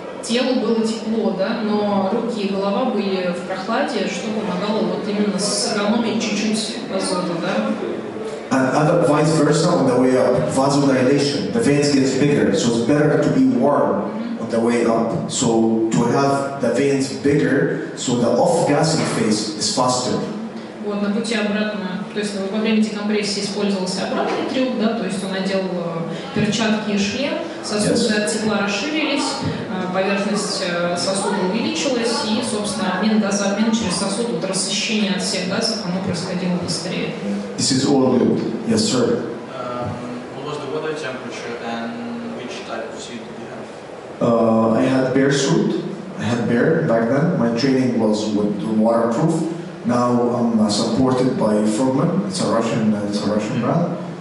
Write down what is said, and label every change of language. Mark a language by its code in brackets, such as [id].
[ru] Телу было тепло, да, но руки и голова были в прохладе, что помогало вот именно сэкономить чуть-чуть азота, да? [en] And other vice versa on the way up, vasodilation, the veins get bigger, so it's better to be warm on the way up. So to have the veins bigger, so the off-gassing phase is faster. [ru] Вот на пути обратно, то есть во время декомпрессии использовался обратный трюк, да, то есть он надел перчатки и шлем, сосуды от тепла расширились, поверхность сосуда увеличилась, и, собственно, обмен газообмен через сосуд, вот рассыщение от всех газов, оно происходило быстрее. [en] This is all good. Yes, sir. What was the weather temperature and which type of suit did you have? I had bear suit. I had bear back then. My training was with waterproof. Now I'm supported by Frogman. It's a Russian mm-hmm. brand.